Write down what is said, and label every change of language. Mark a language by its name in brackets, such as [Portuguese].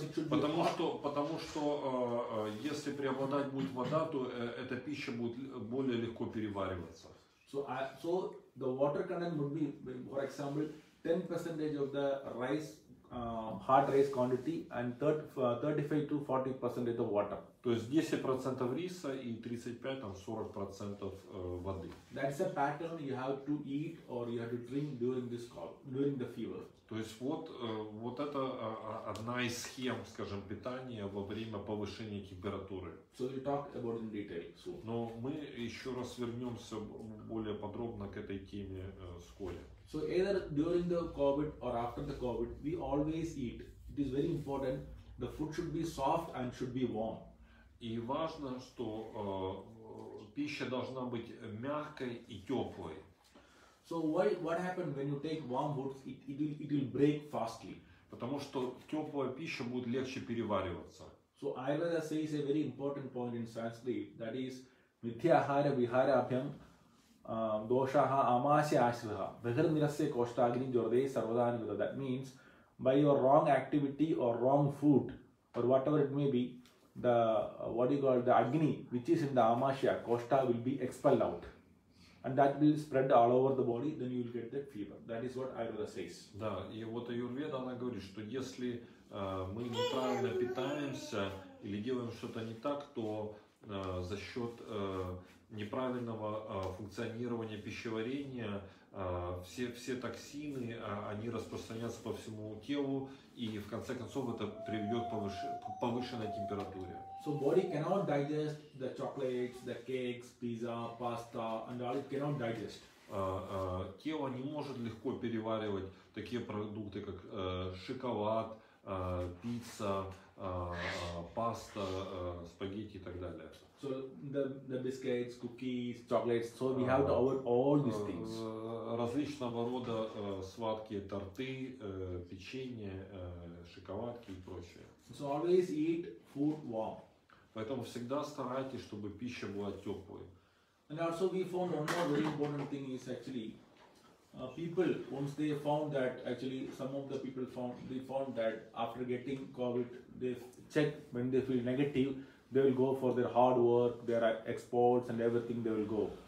[Russian] Потому что если преобладать будет вода, то эта пища будет более легко перевариваться. [English] So the water content would be, for example, 10% of the rice, hard rice quantity and 35 to 40% of water. [Russian] То есть 10% риса и 35-40% воды. [English] That's a pattern you have to eat or you have to drink during this during the fever. [Russian] То есть вот это одна из схем, скажем, питания во время повышения температуры. [English] So we'll talk about in detail soon. [Russian] Но мы еще раз вернемся более подробно к этой теме вскоре. [English] So either during the COVID or after the COVID, we always eat. It is very important. The food should be soft and should be warm. [Russian] И важно, что пища должна быть мягкой и теплой. [English] So what happens when you take warm foods? It will break fastly. [Russian] Потому что теплая пища будет легче перевариваться. [English] So Ayurveda says a very important point in Sanskrit, that is [Sanskrit] mithyahara viharabhyam doshaha amasya ashvaha vihar nirasya koshtagini jorde sarvadhanivada. [English] That means by your wrong activity or wrong food or whatever it may be, the agni which is in the amasya koshta will be expelled out. And that will spread all over the body, then you will get the fever. That is what Ayurveda says. [Russian] Да, и вот Аюрведа, она говорит, что если мы неправильно питаемся или делаем что-то не так, то за счет неправильного функционирования пищеварения все токсины, они распространятся по всему телу, и в конце концов это приведет к повышенной температуре. [English] So body cannot digest the chocolates, the cakes, pizza, pasta, and all it cannot digest. [Russian] Тело не может легко переваривать такие продукты, как шоколад, пицца, паста, спагетти и так далее. [English] So the biscuits, cookies, chocolates, so we have to avoid all these things. [Russian] Различного рода сладкие торты, печенье, шоколадки и прочее. [English] So always eat food warm. [Russian] Поэтому всегда старайтесь, чтобы пища была теплой. [English] And also we found one more very important thing is actually people, once they found that, actually some of the people found that after getting COVID, they check when they feel negative, they will go for their hard work, their exports and everything, they will go.